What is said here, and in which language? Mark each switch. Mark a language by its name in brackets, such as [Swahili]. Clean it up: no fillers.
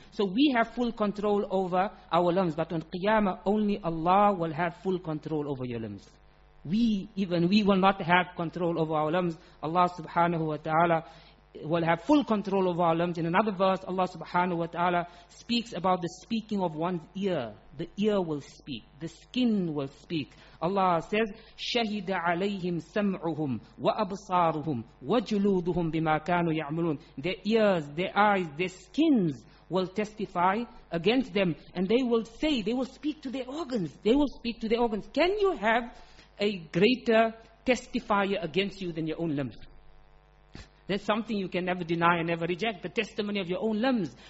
[English] So we have full control over our limbs, but on Qiyamah, only Allah will have full control over your limbs. We will not have control over our limbs. Allah subhanahu wa ta'ala will have full control over our limbs. In another verse, Allah subhanahu wa ta'ala speaks about the speaking of one's ear. The ear will speak. The skin will speak. Allah says, [Arabic] شَهِدَ عَلَيْهِمْ سَمْعُهُمْ وَأَبْصَارُهُمْ وَجُلُودُهُمْ بِمَا كَانُوا يَعْمُلُونَ. [English] Their ears, their eyes, their skins will testify against them. And they will say, they will speak to their organs. They will speak to their organs. Can you have a greater testifier against you than your own limbs? There's something you can never deny and never reject, the testimony of your own limbs.